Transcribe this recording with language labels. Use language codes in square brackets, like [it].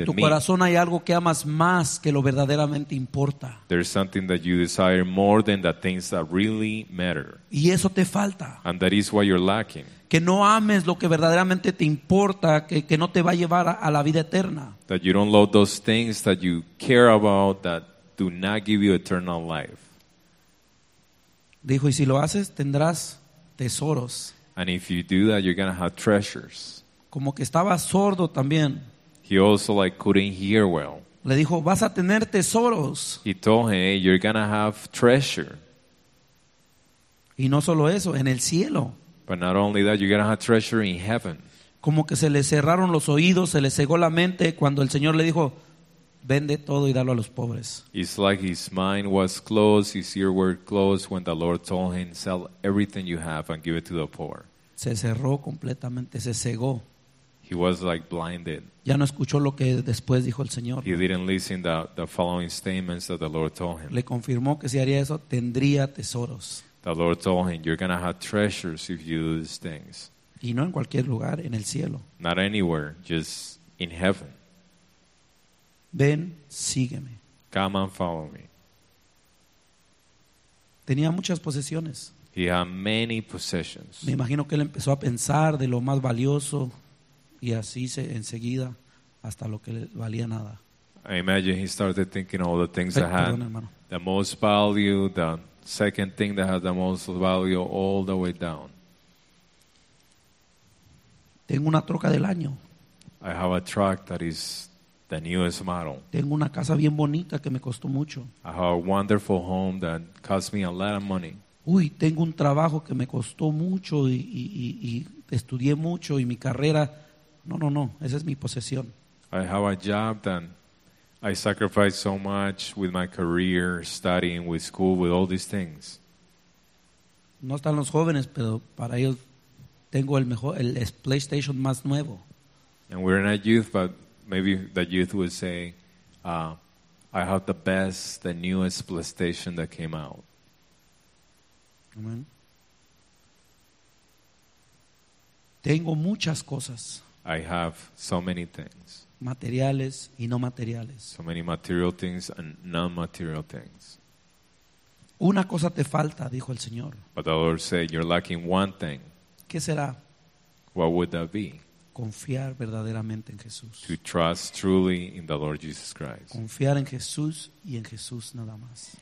[es] En tu corazón hay algo que amas más que lo verdaderamente importa. [en] There's something that you desire more than the things that really matter. [es] Y eso te falta. [en] And that is what you're lacking. [es] Que no ames lo que verdaderamente te importa, que no te va a llevar a la vida eterna. [en] That you don't love those things that you care about, that do not give you eternal life. [es] Dijo, y si lo haces, tendrás tesoros. [en] And if you do that, you're going to have treasures. [es] Como que estaba sordo también. [en] He also like couldn't hear well. [es] Le dijo, vas a tener tesoros. [en] He told him, hey, you're gonna have treasure. [es] Y no solo eso, en el cielo. [en] But not only that, you're gonna have treasure in heaven. [es] Como que se le cerraron los oídos, se le cegó la mente cuando el Señor le dijo, vende todo y dalo a los pobres. [en] It's like his mind was closed, his ear were closed when the Lord told him, sell everything you have and give it to the poor. [es] Se cerró completamente, se cegó. [en] He was like blinded. [es] Ya no escuchó lo que después dijo el Señor. [en] He didn't listen to the following statements that the Lord told him. [es] Le confirmó que si haría eso, tendría tesoros. [en] The Lord told him, you're going to have treasures if you do these things. [es] Y no en cualquier lugar, en el cielo. [en] Not anywhere, just in heaven. [es] Ven, sígueme. [en] Come and follow me. [es] Tenía muchas posesiones. [en] He had many possessions. [es] Me imagino que él empezó a pensar de lo más valioso y así se, enseguida hasta lo que valía nada. [en] I imagine he started thinking all the things that had [es] hermano. [en] The most value, the second thing that had the most value all the way down. [es] Tengo una troca del año. [en] I have a truck that is the newest model. [es] Tengo una casa bien bonita que me costó mucho. [en] I have a wonderful home that cost me a lot of money. [es] Uy, tengo un trabajo que me costó mucho y estudié mucho y mi carrera. No, esa es mi posesión. [en] I have a job that I sacrificed so much with my career, studying, with school, with all these things. [es] No están los jóvenes, pero para ellos tengo el mejor, el PlayStation más nuevo. [en] And we're not youth, but maybe the youth would say, I have the best, the newest PlayStation that came out. Amen. [es] Tengo muchas cosas. [en] I have so many things. [es] Materiales y no materiales. [en] So many material things and non-material things. [es] Una cosa te falta, dijo el Señor. [en] But the Lord said, you're lacking one thing. [es] ¿Qué será? [en] What would that be? [es] Confiar verdaderamente en Jesús. [en] To trust truly in the Lord Jesus Christ. [es] Confiar en Jesús y en Jesús nada más.